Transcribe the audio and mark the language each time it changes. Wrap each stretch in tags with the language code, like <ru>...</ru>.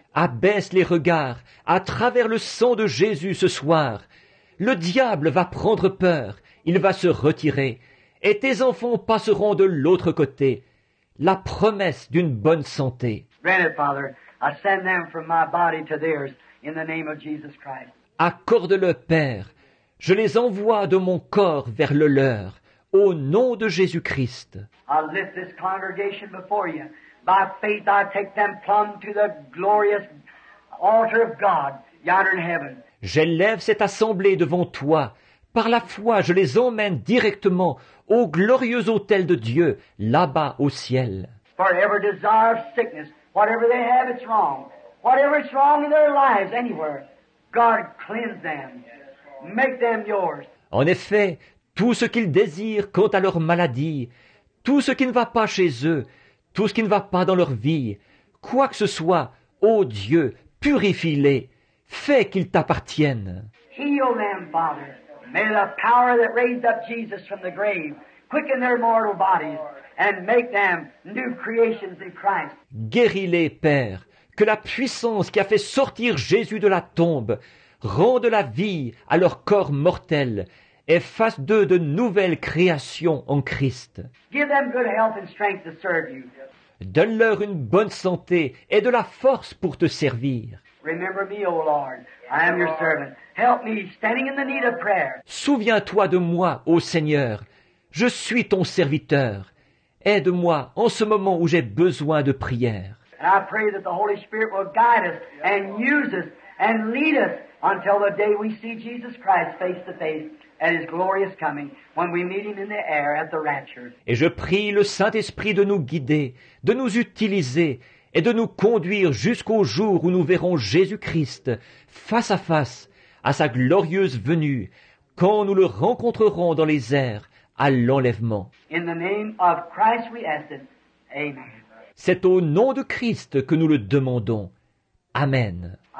<fr>Abaisse les regards à travers le sang de Jésus ce soir. Le diable va prendre peur. Il va se retirer. Et tes enfants passeront de l'autre côté. La promesse d'une bonne santé.</fr> <en>Granted, Father, I send them from my body to theirs in the name of Jesus Christ.</en> <fr>Accorde-le, Père. Je les envoie de mon corps vers le leur. Au nom de Jésus-Christ.</fr> <en>I lift this congregation before you. By faith I take them plumb to the glorious altar of God yonder in heaven.</en> <fr>J'élève cette assemblée devant toi. Par la foi, je les emmène directement au glorieux autel de Dieu, là-bas au ciel.</fr> <en>Forever desire of sickness, whatever they have, it's wrong. Whatever is wrong in their lives, anywhere, God cleanse them. Make them yours.</en> <fr>En effet, tout ce qu'ils désirent quant à leur maladie, tout ce qui ne va pas chez eux, tout ce qui ne va pas dans leur vie, quoi que ce soit, ô Dieu, purifie-les, fais qu'ils t'appartiennent.</fr> <en>Heal them, Father. May the power that raised up Jesus from the grave quicken their mortal bodies and make them new creations in Christ.</en> <fr>Guéris-les, Père, que la puissance qui a fait sortir Jésus de la tombe rende la vie à leur corps mortel et fasse d'eux de nouvelles créations en Christ.</fr> <en>Give them good health and strength to serve you.</en> <fr>Donne-leur une bonne santé et de la force pour te servir.</fr> <en>Remember me, O Lord. I am your servant. Help me, standing in the need of prayer.</en> <fr>Souviens-toi de moi, ô Seigneur. Je suis ton serviteur. Aide-moi en ce moment où j'ai besoin de prière.</fr> <en>And I pray that the Holy Spirit will guide us and use us and lead us until the day we see Jesus Christ face to face at His glorious coming, when we meet Him in the air at the rapture.</en> <fr>Et je prie le Saint-Esprit de nous guider, de nous utiliser et de nous conduire jusqu'au jour où nous verrons Jésus-Christ face à face à sa glorieuse venue, quand nous le rencontrerons dans les airs à l'enlèvement.</fr> <en>In the name of Christ we ask it. Amen.</en> <fr>C'est au nom de Christ que nous le demandons. Amen.</fr>